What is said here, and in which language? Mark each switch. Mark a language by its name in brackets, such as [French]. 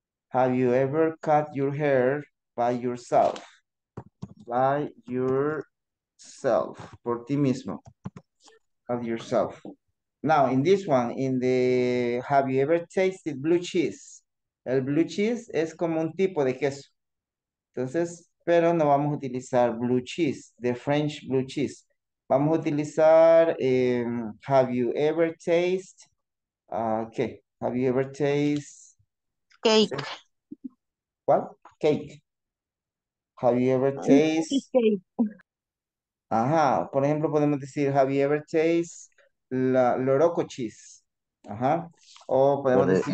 [English] Have you ever cut your hair by yourself? By yourself. [Spanish] Por ti mismo. [English] Of yourself. Now, in this one, in the, have you ever tasted blue cheese? [Spanish] El blue cheese es como un tipo de queso. Entonces, pero no vamos a utilizar blue cheese, [English] the French blue cheese. [Spanish] Vamos a utilizar, [English] have you ever tasted, okay, have you ever tasted cake? What? Cake. Have you ever tasted [Spanish] ajá, por ejemplo, podemos decir, [English] have you ever tasted la loroco cheese? Ajá. [Spanish] O podemos decir